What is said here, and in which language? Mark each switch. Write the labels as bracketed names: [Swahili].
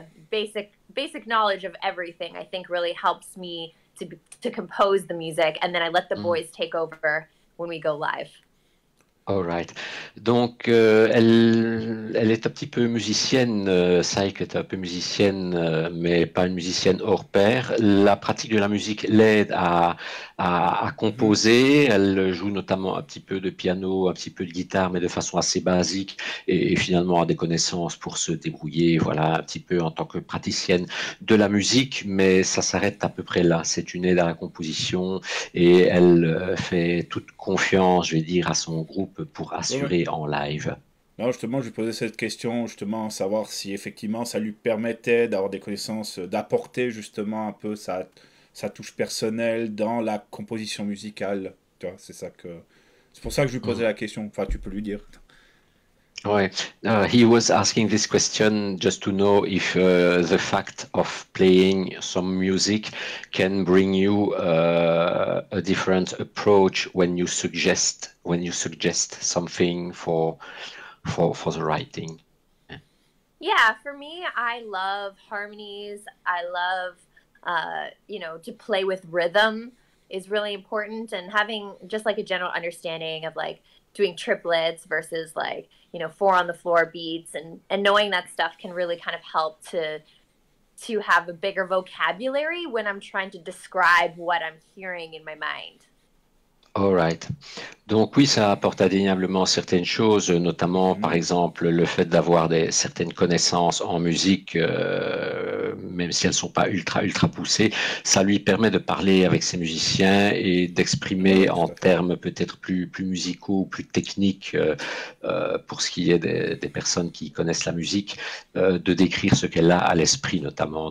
[English] Basic knowledge of everything, I think, really helps me to compose the music, and then I let the boys take over when we go live. All right. [French] Donc, elle est un petit peu musicienne, Cyco est un peu musicienne, mais pas une musicienne hors pair. La pratique de la musique l'aide à composer. Elle joue notamment un petit peu de piano, un petit peu de guitare, mais de façon assez basique, et finalement a des connaissances pour se débrouiller, voilà, un petit peu en tant que praticienne de la musique, mais ça s'arrête à peu près là. C'est une aide à la composition, et elle fait toute confiance, je vais dire, à son groupe pour assurer en live. Non, justement, je lui posais cette question, justement, savoir si effectivement ça lui permettait d'avoir des connaissances, d'apporter justement un peu sa touche personnelle dans la composition musicale. Tu vois, c'est ça que... C'est pour ça que je lui posais la question. Enfin, tu peux lui dire. Oui. [English] He was asking this question just to know if the fact of playing some music can bring you a different approach when you suggest something for the writing. Yeah, for me, I love harmonies. I love, you know, to play with rhythm is really important. And having just like a general understanding of like doing triplets versus like, you know, four on the floor beats, and knowing that stuff can really kind of help to have a bigger vocabulary when I'm trying to describe what I'm hearing in my mind. All right. [French] Donc oui, ça apporte indéniablement certaines choses, notamment par exemple le fait d'avoir certaines connaissances en musique, même si elles ne sont pas ultra poussées. Ça lui permet de parler avec ses musiciens et d'exprimer en termes peut-être plus musicaux, plus techniques, pour ce qui est des personnes qui connaissent la musique, de décrire ce qu'elle a à l'esprit notamment.